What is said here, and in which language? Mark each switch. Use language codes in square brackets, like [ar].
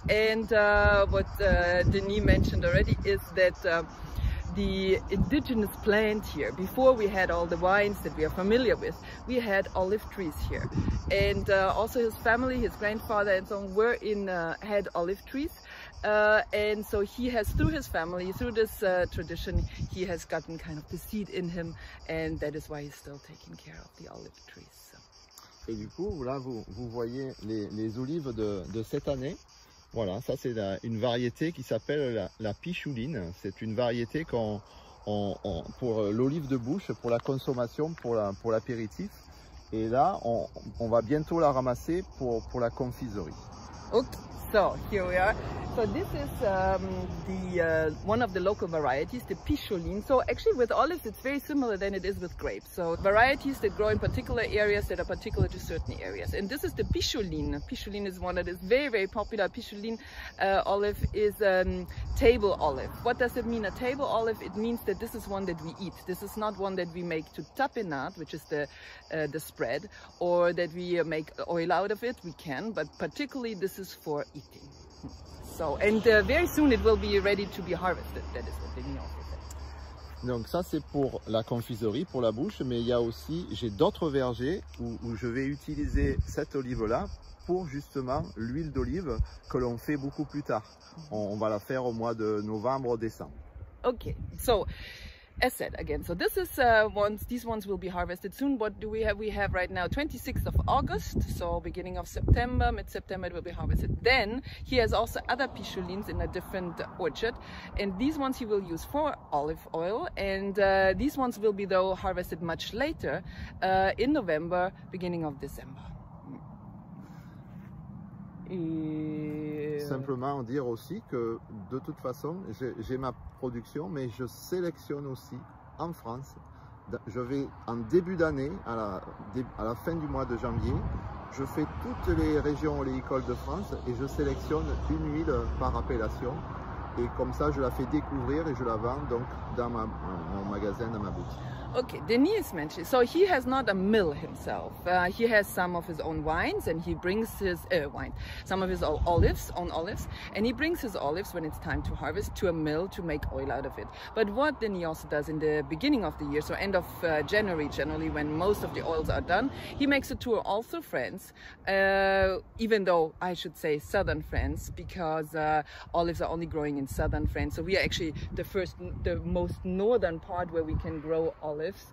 [en] And what Denis mentioned already is that the indigenous plant here, before we had all the wines that we are familiar with, we had olive trees here. And also his family, his grandfather and so on, were in had olive trees. And so he has, through his family, through this tradition, he has gotten kind of the seed in him, and that is why he's still taking care of the olive trees. So. [fr] Et du coup, là, vous voyez les olives de cette année. Voilà, ça c'est une variété qui s'appelle la pichouline. C'est une variété pour l'olive de bouche, pour la consommation, pour l'apéritif. Et là, on va bientôt la ramasser pour la confiserie. [en] Ok, so here we are. So this is one of the local varieties, the pichouline. So actually with olives, it's very similar than it is with grapes. So varieties that grow in particular areas that are particular to certain areas. And this is the pichouline. Pichouline is one that is very, very popular. Pichouline olive is a table olive. What does it mean, a table olive? It means that this is one that we eat. This is not one that we make to tapenade, which is the spread, or that we make oil out of it. We can, but particularly this is for eating. So, and very soon it will be ready to be harvested. That is what they mean. [fr] Donc ça c'est pour la confiserie, pour la bouche, mais il y a aussi, j'ai d'autres vergers où je vais utiliser cette olive là pour justement l'huile d'olive que l'on fait beaucoup plus tard. On va la faire au mois de novembre, décembre. [en] Ok, so as said again, so this is these ones will be harvested soon. What do we have? We have right now 26th of August, so beginning of September, mid-September it will be harvested. Then he has also other pichoulines in a different orchard, and these ones he will use for olive oil, and these ones will be though harvested much later, in November, beginning of December. [fr] Simplement dire aussi que de toute façon j'ai ma production, mais je sélectionne aussi en France. Je vais en début d'année, à la fin du mois de janvier, je fais toutes les régions oléicoles de France et je sélectionne une huile par appellation, et comme ça je la fais découvrir et je la vends donc dans mon magasin, dans ma boutique. [en] Okay, Denis is mentioned. So he has not a mill himself. He has some of his own wines, and he brings his olives, and he brings his olives when it's time to harvest to a mill to make oil out of it. But what Denis also does in the beginning of the year, so end of January, generally when most of the oils are done, he makes a tour also France, even though I should say southern France, because olives are only growing in southern France. So we are actually the first, the most northern part where we can grow olives.